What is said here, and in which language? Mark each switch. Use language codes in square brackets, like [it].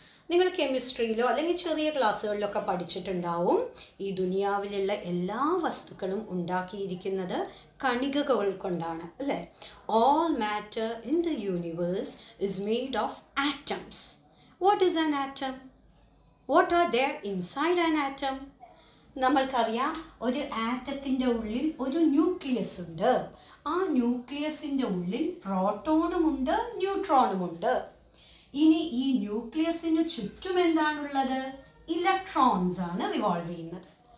[ml] നിങ്ങൾ കെമിസ്ട്രിയിലോ അല്ലെങ്കിൽ ചെറിയ ക്ലാസ്സുകളിലൊക്കെ പഠിച്ചിട്ടുണ്ടാവും ഈ ദുനിയാവിലുള്ള എല്ലാ വസ്തുക്കളും ഉണ്ടാക്കിയിരിക്കുന്നത് കണികകൾ കൊണ്ടാണ് അല്ലേ. [en] All matter in the universe is made of atoms. What is an atom? What are there inside an atom? [ml] നമ്മൾക്കറിയാം ഒരു ആറ്റത്തിൻ്റെ ഉള്ളിൽ ഒരു ന്യൂക്ലിയസ് ഉണ്ട്. ആ ന്യൂക്ലിയസിൻ്റെ ഉള്ളിൽ പ്രോട്ടോണുമുണ്ട്, ന്യൂട്രോണുമുണ്ട്. ഇനി ഈ ന്യൂക്ലിയസിന് ചുറ്റും എന്താണുള്ളത്? ഇലക്ട്രോൺസ് ആണ് റിവോൾവ് ചെയ്യുന്നത്.